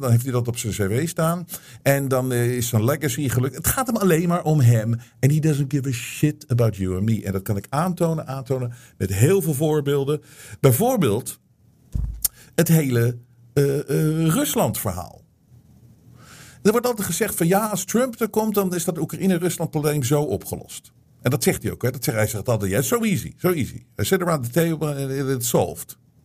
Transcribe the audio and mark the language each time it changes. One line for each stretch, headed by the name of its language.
Dutch: Dan heeft hij dat op zijn cv staan. En dan is zijn legacy gelukt. Het gaat hem alleen maar om hem.
English: And he doesn't give a shit about you and me.
Dutch: En dat kan ik aantonen met heel veel voorbeelden. Bijvoorbeeld het hele Rusland verhaal. Er wordt altijd gezegd van ja, als Trump er komt, dan is dat Oekraïne-Rusland probleem zo opgelost. En dat zegt hij ook. Hè? Hij zegt altijd,
English: yeah, so easy. I sit around the table and it's solved.